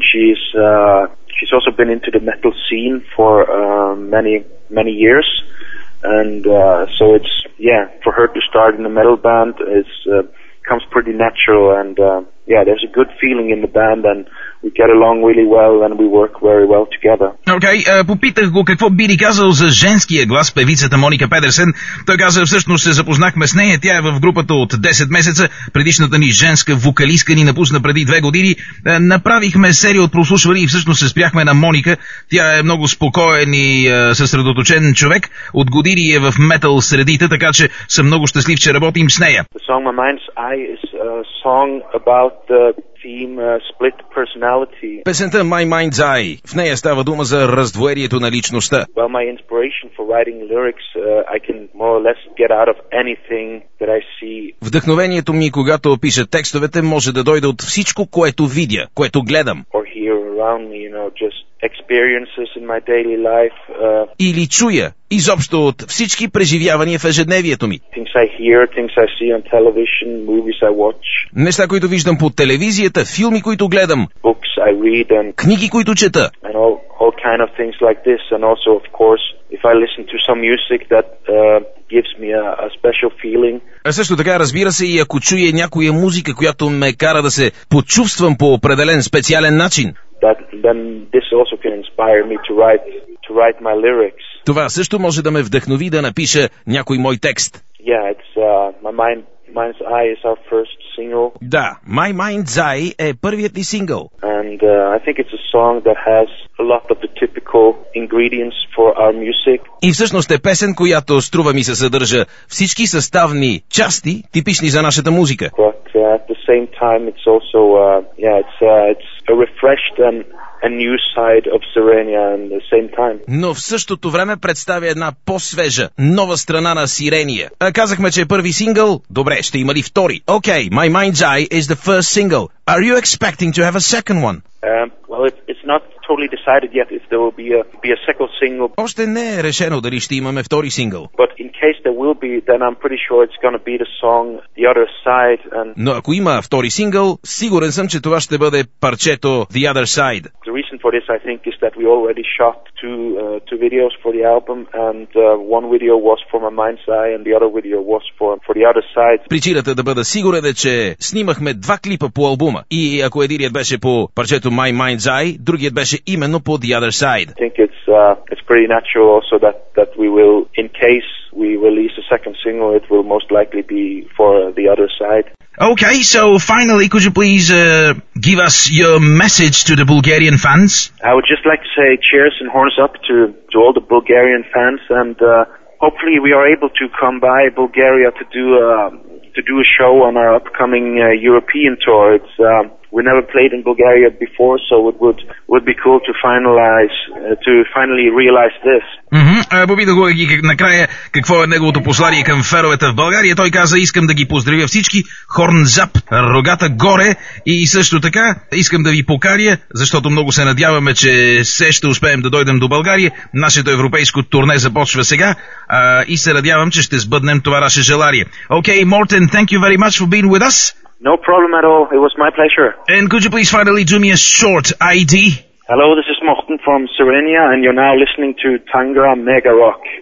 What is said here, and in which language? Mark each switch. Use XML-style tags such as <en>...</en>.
<en>She's also been into the metal scene for many years, and so it's, yeah, for her to start in a metal band comes pretty natural, and there's a good feeling in the band, and we get along really well, and we work very well together.</en> <bg>Okay, попитах го какво би ли казал за женския глас певицата Моника Педерсен. Той каза, всъщност се запознахме с нея, тя е в групата от 10 месеца, предишната ни женска вокалистка ни напусна преди 2 години. Направихме серия от прослушвани и всъщност се спряхме на Моника. Тя е много спокоен и съсредоточен човек. От години е в метал средите, така че съм много щастлив, че работим с нея.</bg> <en>The song My Mind's Eye is a song about split personality.</en> <bg>Песента My Mind's Eye. В нея става дума за раздвоението на личността.</bg> <en>Well, my inspiration for writing lyrics, I can more or less get out of anything that I see.</en> <bg>Вдъхновението ми, когато пиша текстовете, може да дойде от всичко, което видя, което гледам.</bg> <en>Or hear around me, you know, just experiences in my daily life.</en> <bg>Или чуя, изобщо от всички преживявания в ежедневието ми.</bg> <en>Things I hear, things I see on television, movies I watch.</en> <bg>Неща, които виждам по телевизията, филми, които гледам.</bg> <en>Books I read and</en> <bg>книги, които чета.</bg> <en>And all kind of things like this, and also of course if I listen to some music that gives me a special feeling.</en> <bg>А също така, разбира се, и ако чуя някоя музика, която ме кара да се почувствам по определен специален начин.</bg> <en>That then this also can inspire me to write my lyrics.</en> <bg>Това също може да ме вдъхнови да напиша някой мой текст.</bg> <en>Yeah, it's My Mind's Eye is our first single.</en> <bg>Да, My Mind's Eye е първият ни сингъл.</bg> <en>And I think it's a song that has a lot of the typical ingredients for our music.</en> <bg>И всъщност е песен, която струва ми се съдържа всички съставни части, типични за нашата музика.</bg> <en>But at the same time it's also it's a refreshed and a new side of Sirenia at the same time.</en> <bg>Но в същото време представя една по-свежа, нова страна на Сирения. А казахме, че е първи сингъл. Добре, ще има ли втори?</bg> <en>Okay, My Mind's Eye is the first single. Are you expecting to have a second one? It's not totally decided yet if there will be a second single.</en> <bg>Още не е решено дали ще имаме втори сингъл.</bg> <en>But in case there will be, then I'm pretty sure it's going to be the song The Other Side. And</en> <bg>но ако има втори сингъл, сигурен съм, че това ще бъде парчето The Other Side.</bg> <en>The reason for this, I think, is that we already shot two videos for the album, and one video was for My Mind's Eye, and the other video was for The Other Side.</en> <bg>Причината да бъда сигурен е, че снимахме два клипа по албума. И ако единият беше по парчето My Mind's Eye, другият беше именно по The Other Side.</bg> <en>I think it's pretty natural also that we will, in case we release a second single, it will most likely be for The Other Side. Okay, so finally, could you please give us your message to the Bulgarian fans? I would just like to say cheers and horns up to all the Bulgarian fans, and hopefully we are able to come by Bulgaria to do a show on our upcoming European tour. It's we never played in Bulgaria before, so it would be cool to finally realize this.</en> <bg>Попитах го накрая какво е неговото послание към феновете в България. Той каза, искам да ги поздравя всички, Хорнзап, рогата горе, и също така искам да ви покаря, защото много се надяваме, че все ще успеем да дойдем до България. Нашето европейско турне започва сега и се надявам, че ще сбъднем това наше желание.</bg> <en>Okay, Morten, thank you very much for being with us. No problem at all. It was my pleasure. And could you please finally do me a short ID? Hello, this is Morten from Sirenia, and you're now listening to Tangra Mega Rock.</en>